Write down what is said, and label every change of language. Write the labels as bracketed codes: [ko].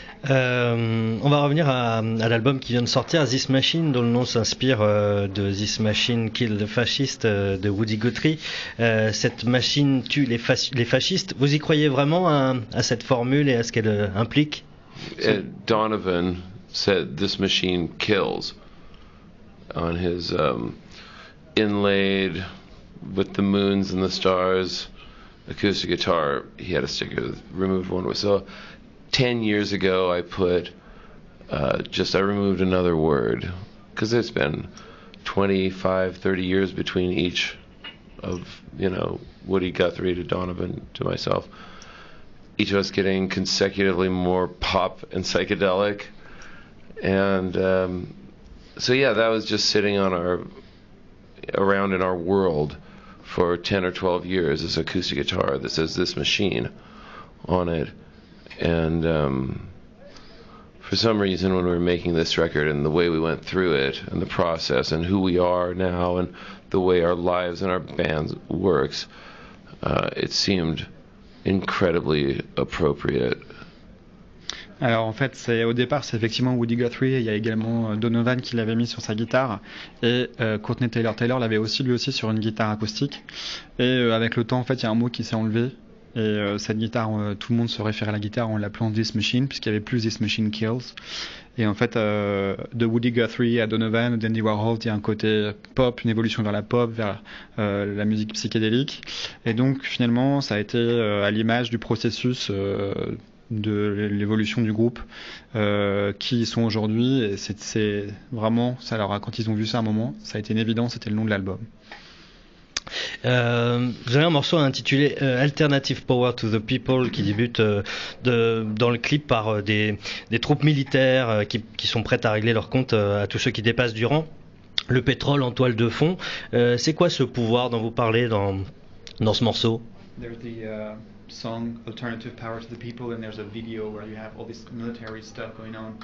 [fr] On va revenir à l'album qui vient de sortir, This Machine, dont le nom s'inspire de This Machine Killed the Fascist de Woody Guthrie. Cette machine tue les fascistes. Vous y croyez vraiment à cette formule et à ce qu'elle implique? [en] Donovan said this machine kills on his inlaid with the moons and the stars acoustic guitar. He had a sticker with removed one. So 10 years ago, I put I removed another word because it's been 25, 30 years between each of, you know, Woody Guthrie to Donovan to myself, each of us getting consecutively more pop and psychedelic. And So yeah, that was just sitting on our around in our world for 10 or 12 years, this acoustic guitar that says this machine on it. And for some reason, when we were making this record and the way we went through it and the process and who we are now and the way our lives and our band works, it seemed incredibly appropriate. [fr] Alors en fait, c'est, au départ, c'est effectivement Woody Guthrie, et il y a également Donovan qui l'avait mis sur sa guitare, et Courtney Taylor Taylor l'avait aussi lui aussi sur une guitare acoustique. Et avec le temps, en fait, il y a un mot qui s'est enlevé, et cette guitare, tout le monde se référait à la guitare en l'appelant This Machine, puisqu'il n'y avait plus This Machine Kills. Et en fait, de Woody Guthrie à Donovan, d'Andy Warhol, il y a un côté pop, une évolution vers la pop, vers la musique psychédélique. Et donc finalement, ça a été à l'image du processus de l'évolution du groupe, qui ils sont aujourd'hui, et c'est vraiment ça. Alors quand ils ont vu ça à un moment, ça a été une évidence, c'était le nom de l'album. Vous avez un morceau intitulé Alternative Power to the People qui débute dans le clip par des troupes militaires qui sont prêtes à régler leur compte à tous ceux qui dépassent du rang. Le pétrole en toile de fond, c'est quoi ce pouvoir dont vous parlez dans ce morceau? [en] Song Alternative Power to the People, and there's a video where you have all this military stuff going on.